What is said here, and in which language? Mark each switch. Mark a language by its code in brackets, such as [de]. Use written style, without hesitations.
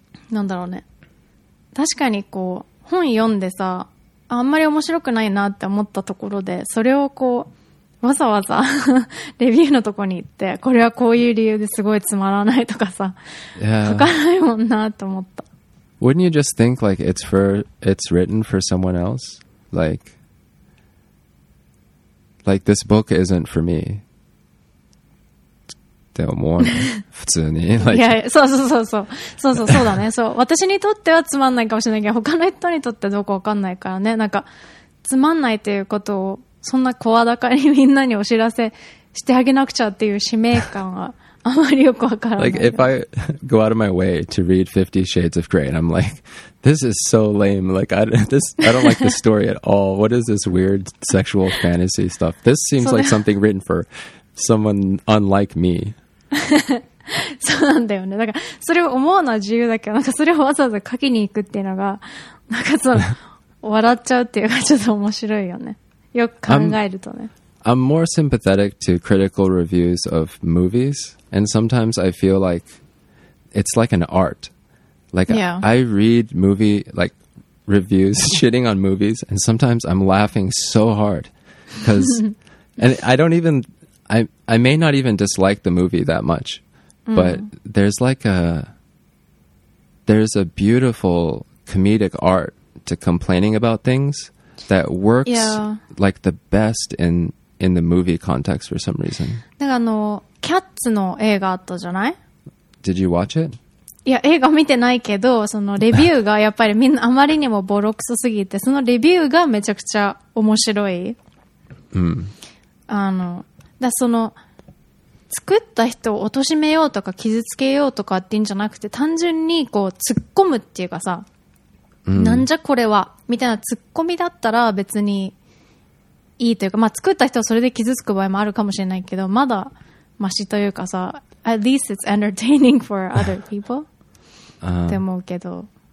[ja] あなんだろうね、確かにこう本読んでさ、あんまり面白くないなって思ったところで、それをこうわざわざレビューのとこに行って、これはこういう理由ですごいつまらないとかさ、書かないもんなと思った。 [en] Wouldn't you just think like it's written for someone else? Like this book isn't for me. [ja] でも普通に、そうだね。そう、私にとってはつまんないかもしれないけど、他の人にとってどうかわかんないからね。なんかつまんないということを、そんな声高にみんなにお知らせしてあげなくちゃっていう使命感はあまりよくわからない。 [en] Like if I go out of my way to read Fifty Shades of Grey, and I'm like, this is so lame. Like I don't like the story at all. What is this weird sexual fantasy stuff? This seems like something written for someone unlike me. [ja] そうなんだよね。だからそれを思うのは自由だけど、なんかそれをわざわざ書きに行くっていうのがなんかその笑っちゃうっていうかちょっと面白いよね。よく考えるとね。 [en] I'm more sympathetic to critical reviews of movies, and sometimes I feel like it's like an art. Like, yeah. I read movie, like, reviews shitting on movies, and sometimes I'm laughing so hard because and I don't even I may not even dislike the movie that much, but there's like a beautiful comedic art to complaining about things that works like the best in the movie context for some reason. Did you watch it? [ja] いや、映画見てないけど、そのレビューがやっぱりみんなあまりにもボロクソすぎて、そのレビューがめちゃくちゃ面白い。うん。あの、だその、作った人を貶めようとか傷つけようとかっていうんじゃなくて、単純にこう突っ込むっていうかさ、うん、なんじゃこれは、みたいな突っ込みだったら別にいいというか、まあ作った人はそれで傷つく場合もあるかもしれないけど、まだマシというかさ、 [en] At least it's entertaining for other people. [ja] って思うけど。